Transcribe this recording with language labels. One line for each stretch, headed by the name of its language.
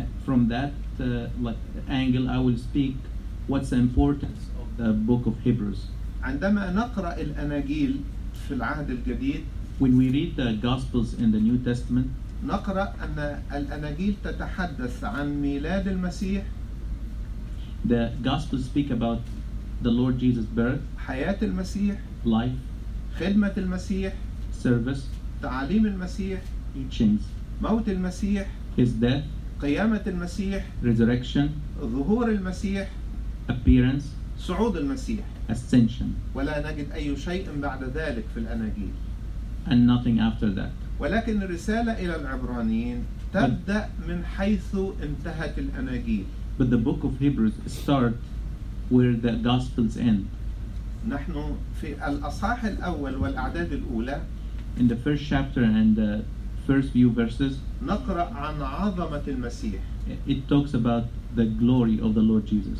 English: From that angle, I will speak what's the importance of the book of Hebrews.
Arabic: عندما نقرأ الأناجيل في العهد الجديد.
English: When we read the Gospels in the New Testament.
Arabic: نقرأ أن الأناجيل تتحدث عن ميلاد المسيح.
English: The Gospels speak about the Lord Jesus' birth.
Arabic: حياة المسيح.
English: Life.
Arabic: خدمة المسيح.
English: Service.
Arabic: تعاليم المسيح.
English: Teachings.
Arabic: موت المسيح.
English: His death.
Arabic: قيامة المسيح.
English: Resurrection.
Arabic: ظهور المسيح.
English: Appearance.
Arabic: صعود المسيح.
English: Ascension.
Arabic: ولا نجد أي شيء بعد ذلك في الأناجيل.
English: And nothing after that.
Arabic: ولكن الرسالة إلى العبرانيين تبدأ من حيث انتهت الأناجيل.
English: But the book of Hebrews start where the Gospels end.
Arabic: نحن في الأصحاح الأول والأعداد الأولى.
English: In the first chapter and the first few verses.
Arabic: نقرأ عن عظمة المسيح.
English: It talks about the glory of the Lord Jesus.